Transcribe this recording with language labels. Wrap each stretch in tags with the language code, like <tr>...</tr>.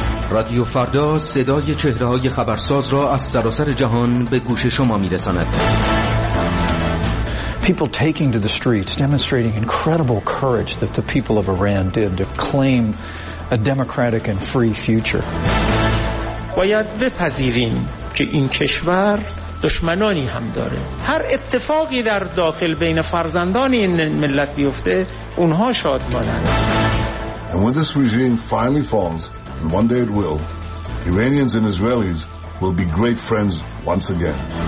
<fa>رادیو فردا صدای چهره‌های خبرساز را از سراسر جهان به گوش شما می‌رساند.</fa> <en>People taking to the streets, demonstrating incredible courage that the people of Iran did to claim a democratic and free future.</en> <fa>باید بپذیریم که این کشور دشمنانی هم داره. هر اتفاقی در داخل بین فرزندان این ملت بیفته، اونها شادمانند.</fa> <en>And when this regime finally falls, and one day it will, Iranians and Israelis will be great friends once again.</en>